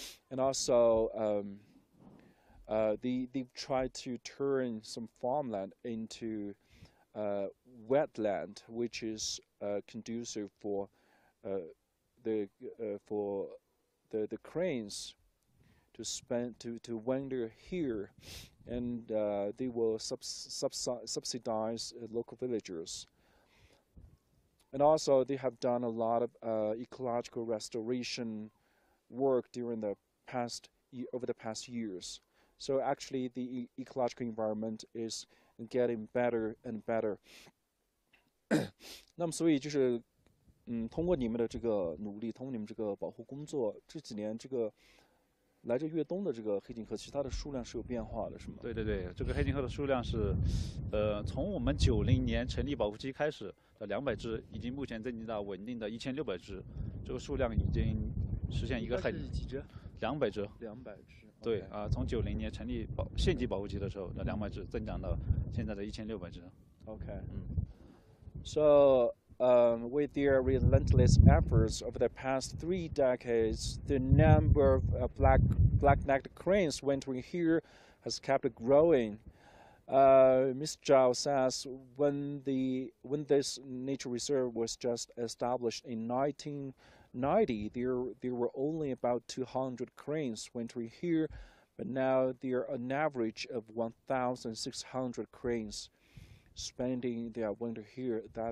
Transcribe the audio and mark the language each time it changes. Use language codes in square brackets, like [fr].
[en] And also,they've tried to turn some farmland into wetland, which is conducive for the cranes to wander here, and they will subsidize local villagers. And also, they have done a lot of ecological restoration work over the past years. So actually, the ecological environment is getting better and better. [zh] 那么，所以就是，通过你们的这个努力，通过你们这个保护工作，这几年这个来这越冬的这个黑金鹤，其实它的数量是有变化的，是吗？对对对，这个黑金鹤的数量是，从我们90年成立保护区开始的200只，已经目前增加到稳定的1600只，这个数量已经实现一个很。 200只。 200只。对、 [en] okay. [zh] 啊，从90年成立县级保护区的时候，那200只增长到现在的1600只。 [en] OK，嗯，So， with their relentless efforts over the past 3 decades, the number of black-necked cranes wintering here has kept growing. Ms. Zhao says when this nature reserve was just established in 1990, there were only about 200 cranes wintering here, but now there are an average of 1,600 cranes spending their winter here.